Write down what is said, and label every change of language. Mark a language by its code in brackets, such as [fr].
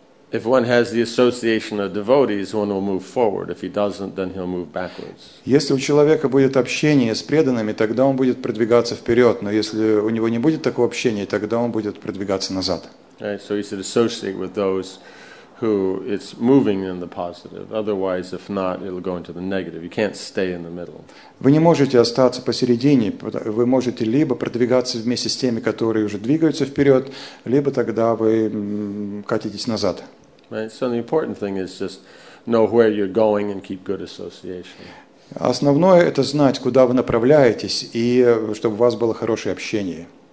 [en] If one has the association of devotees, one will move forward. If he doesn't, then he'll move backwards. [ru] Если у человека будет общение с преданными, тогда он будет продвигаться вперед. Но если у него не будет такого общения, тогда он будет продвигаться назад. [en] Right, so he should associate with those who it's moving in the positive. Otherwise, if not, it'll go into the negative. You can't stay in the middle. [ru] Вы не можете остаться посередине. Вы можете либо продвигаться вместе с теми, которые уже двигаются вперед, либо тогда вы катитесь назад. [en] Right. So the important thing is just know where you're going and keep good association. [ru] Основное – это знать, куда вы направляетесь, и чтобы у вас было хорошее общение.